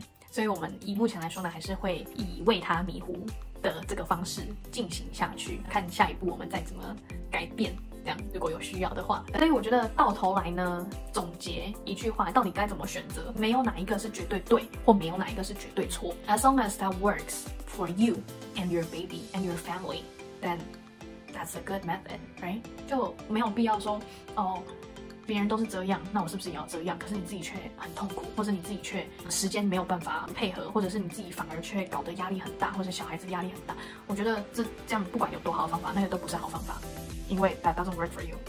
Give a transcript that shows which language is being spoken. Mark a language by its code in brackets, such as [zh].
[zh] 所以我们以目前来说呢，还是会以喂他迷糊的这个方式进行下去，看下一步我们再怎么改变这样，如果有需要的话。所以我觉得到头来呢，总结一句话，到底该怎么选择，没有哪一个是绝对对，或没有哪一个是绝对错。 [en] As long as that works for you and your baby and your family, then that's a good method, right? [zh] 就没有必要说哦，别人都是这样，那我是不是也要这样？可是你自己却很痛苦，或者你自己却时间没有办法配合，或者是你自己反而却搞得压力很大，或者小孩子压力很大。我觉得这样不管有多好的方法，那个都不是好方法，因为 [en] that doesn't work for you。